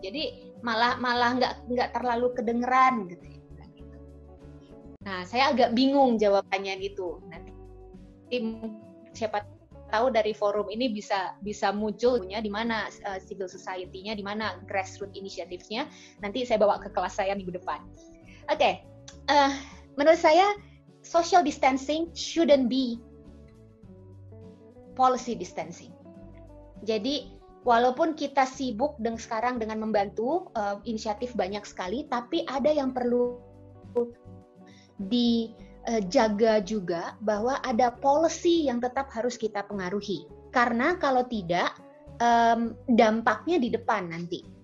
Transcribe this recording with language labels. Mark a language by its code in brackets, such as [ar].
[id] Jadi malah nggak terlalu kedengeran gitu. Nah, saya agak bingung jawabannya gitu. Nanti siapa tahu dari forum ini bisa munculnya di mana civil society-nya, di mana grassroots initiative-nya. Nanti saya bawa ke kelas saya minggu depan. Oke, menurut saya [en] social distancing shouldn't be policy distancing. [id] Jadi walaupun kita sibuk dengan sekarang dengan membantu inisiatif banyak sekali, tapi ada yang perlu dijaga juga, bahwa ada policy yang tetap harus kita pengaruhi. Karena kalau tidak, dampaknya di depan nanti.